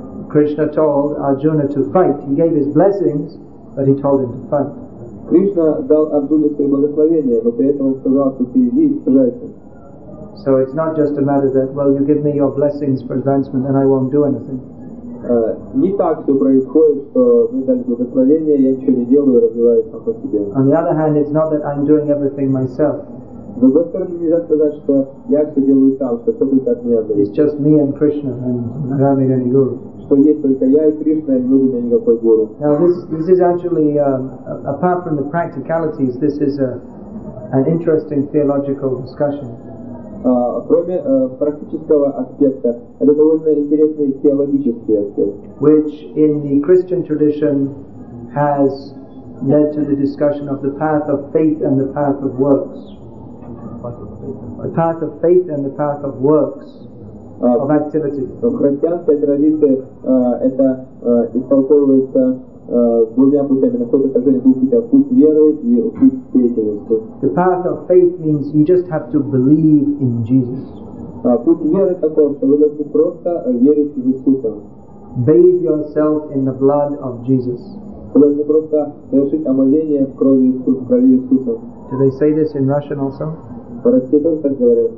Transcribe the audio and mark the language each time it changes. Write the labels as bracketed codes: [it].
[en] Krishna told Arjuna to fight. He gave his blessings, but he told him to fight. [ru] Krishna дал Арджуне свои благословения, но при этом он сказал, что ты иди и сражайся. [en] So it's not just a matter that, well, you give me your blessings for advancement and I won't do anything. [ru] Не так все происходит, что мне дали благословение, я ничего не делаю, развиваюсь сам по себе. [en] On the other hand, it's not that I'm doing everything myself. [ru] С другой стороны, нельзя сказать, что я все делаю сам, что все только от меня зависит. [en] It's just me and Krishna and Ramin and Guru. [ru] Что есть только я и Кришна, и не нужен мне никакой Гуру. [en] Now this is actually, apart from the practicalities, this is an interesting theological discussion. [ru] Кроме практического аспекта, это довольно интересный теологический аспект, [en] which in the Christian tradition has led to the discussion of the path of faith and the path of works. The path of faith and the path of works of activity. [ru] В христианской традиции это истолковывается двумя путями, на какой-то отражение двух путей, путь веры и путь деятельности. [en] The path of faith means you just have to believe in Jesus. [ru] Путь веры такой, что вы должны просто верить в Иисуса. [en] Bathe yourself in the blood of Jesus. [ru] Вы должны просто совершить омовение в крови Иисуса, в крови Иисуса. [en] Do they say this in Russian also? [ru] В России тоже так говорят.